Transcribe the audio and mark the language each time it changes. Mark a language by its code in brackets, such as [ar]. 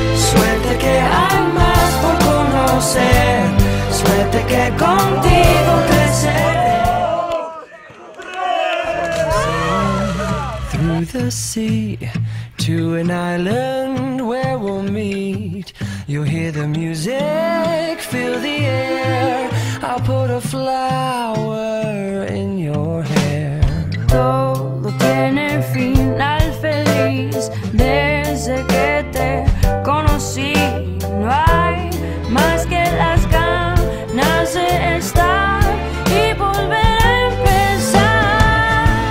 [es] Suerte que hay más por conocer, suerte que contigo creceré. [en] Through the sea to an island where we'll meet. You'll hear the music, feel the air. I'll put a flower in your hair. [es] Todo tiene final feliz desde que te conocí. No hay más que las ganas de estar y volver a empezar.